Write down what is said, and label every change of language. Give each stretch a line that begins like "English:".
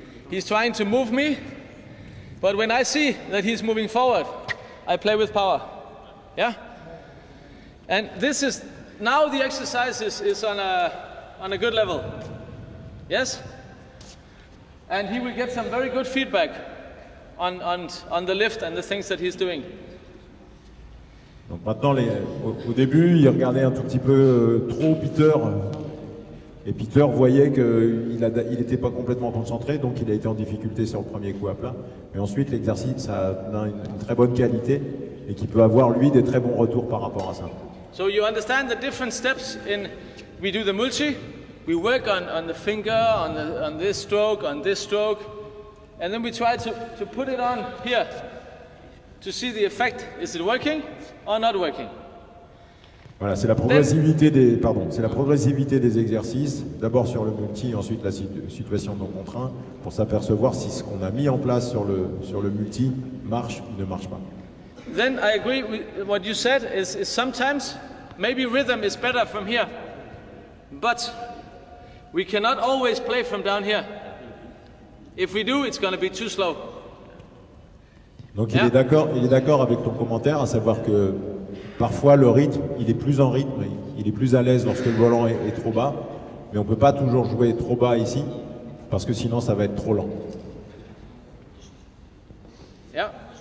English: He's trying to move me, but when I see that he's moving forward, I play with power. Yeah? And this is, now the exercise is on a good level. Yes? And he will get some very good feedback on the lift and the things that he's doing.
French: Donc maintenant, au début, il regardait un tout petit peu trop Peter. Et Peter voyait qu'il n'était pas complètement concentré, donc il a été en difficulté sur le premier coup à plat. Mais ensuite, l'exercice a une très bonne qualité et qu'il peut avoir, lui, des très bons retours par rapport à ça.
English: So you understand the different steps in we do the multi. We work on the finger, on this stroke, on this stroke. And then we try to put it on here to see the effect. Is it working or not working?
French: Voilà, c'est la progressivité des exercices, d'abord sur le multi, ensuite la situation non contraint, pour s'apercevoir si ce qu'on a mis en place sur le multi marche ou ne marche pas.
English: Then I agree with what you said is sometimes maybe rhythm is better from here, but we cannot always play from down here. If we do, it's going to be too slow.
French: Donc yeah. il est d'accord avec ton commentaire, à savoir que parfois le rythme, il est plus en rythme, il est plus à l'aise lorsque le volant est trop bas, mais on ne peut pas toujours jouer trop bas ici, parce que sinon ça va être trop lent. Yeah.